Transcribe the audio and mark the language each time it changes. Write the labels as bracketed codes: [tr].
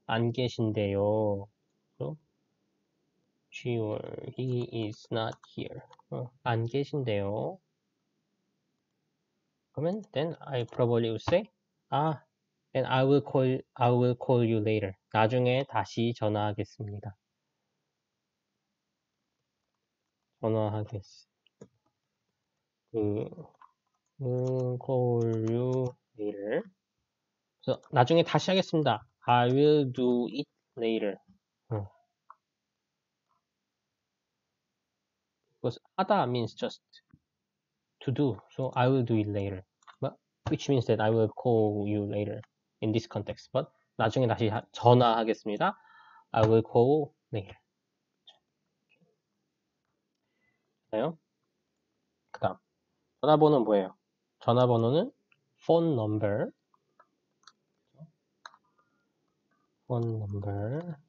[ko] 안 계신데요. [en] So she or he is not here. [ko] 안 계신데요. [en] 그러면 then I probably will say, then I will call you later. [ko] 나중에 다시 전화하겠습니다. 전화하겠습니다. [en] Call you later. [ko] So, 나중에 다시 하겠습니다. [en] I will do it later. Because 하다 means just to do. So, I will do it later. But, which means that I will call you later in this context. [ko] But, 나중에 다시 전화하겠습니다. [en] I will call later. [ko] 그 다음 전화번호는 뭐예요? [en] 전화번호는 phone number, phone number.